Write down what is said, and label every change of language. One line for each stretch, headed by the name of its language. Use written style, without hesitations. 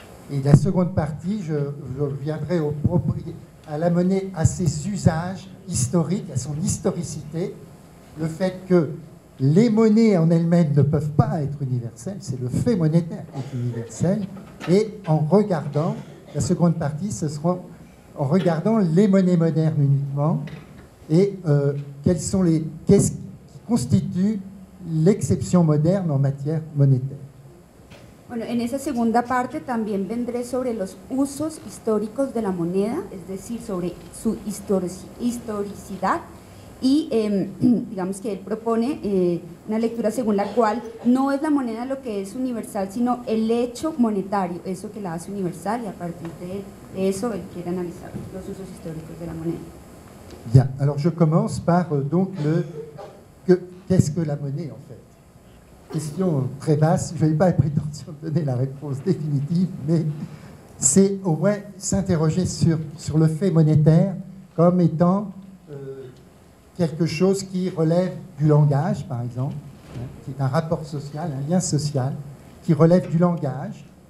French: Et la seconde partie, je reviendrai au à la monnaie, à ses usages historiques, à son historicité, le fait que les monnaies en elles-mêmes ne peuvent pas être universelles, c'est le fait monétaire qui est universel, et en regardant, la seconde partie, ce sera en regardant les monnaies modernes uniquement, et quelles sont les, qu'est-ce qui constitue l'exception moderne en matière monétaire.
Spanish: Bueno, en esa segunda parte también vendré sobre los usos históricos de la moneda, es decir, sobre su historicidad y digamos que él propone una lectura según la cual no es la moneda lo que es universal, sino el hecho monetario, eso que la hace universal, y a partir de eso él quiere analizar los usos históricos de la moneda.
French: Ya, alors je commence par donc le qu'est-ce que la monnaie en fait. Question très vaste, je n'avais pas la prétention de donner la réponse définitive, mais c'est au moins s'interroger sur le fait monétaire comme étant quelque chose qui relève du langage, par exemple, hein, qui est un rapport social, un lien social, qui relève du langage.